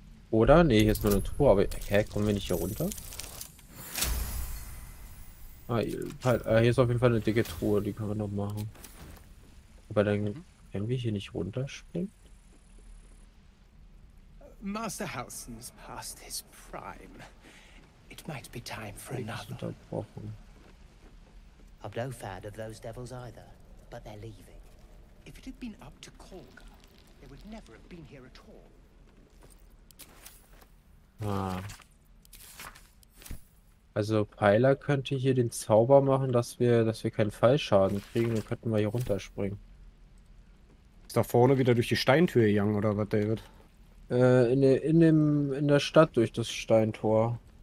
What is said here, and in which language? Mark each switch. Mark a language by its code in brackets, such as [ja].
[de] Oder? Nee, hier ist nur eine Truhe, aber hä, kommen wir nicht hier runter? Ah, hier ist auf jeden Fall eine dicke Truhe, die können wir noch machen. Aber dann können wir hier nicht runterspringen. [en] Master Halcyon's past his prime. It might be time for another. [de] Unterbrochen. [en] I'm no fan of those devils either, but they're leaving. If it had been up to Kolga, they would never have been here at all. Ah. [de] Also Pyla könnte hier den Zauber machen, dass wir keinen Fallschaden kriegen, dann könnten wir hier runterspringen. Ist da vorne wieder durch die Steintür gegangen, oder was, David? In der Stadt durch das Steintor.